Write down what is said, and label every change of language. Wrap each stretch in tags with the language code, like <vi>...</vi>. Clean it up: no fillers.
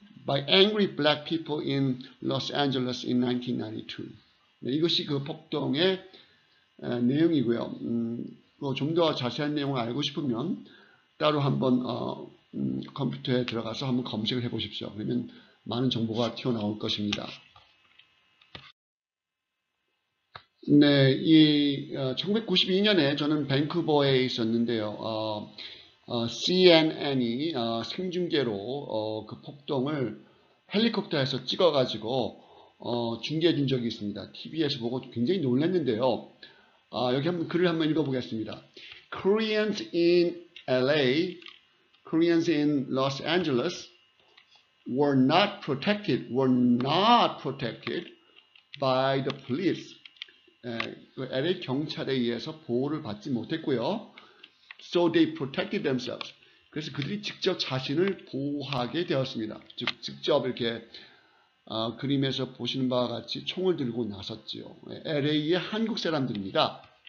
<en>By angry black people in Los Angeles in 1992.</en> <ko>네, 이것이 그 폭동의 내용이고요. 뭐좀더 자세한 내용을 알고 싶으면 따로 한번 컴퓨터에 들어가서 한번 검색을 해보십시오. 그러면 많은 정보가 튀어나올 것입니다. 네, 1992년에 저는 밴쿠버에 있었는데요. CNN이 생중계로 그 폭동을 헬리콥터에서 찍어가지고 중계해 준 적이 있습니다. TV에서 보고 굉장히 놀랐는데요. 여기 한번 글을 한번 읽어보겠습니다.</ko> <en>Koreans in LA, Koreans in Los Angeles were not protected by the police.</en> <ko>LA 경찰에 의해서 보호를 받지 못했고요.</ko> <en>So they protected themselves.</en> <ko>그래서 그들이 직접 자신을 보호하게 되었습니다. 직접 이렇게 그림에서 보시는 바와 같이 총을 들고 나섰지요. LA의 한국 사람들입니다.</ko>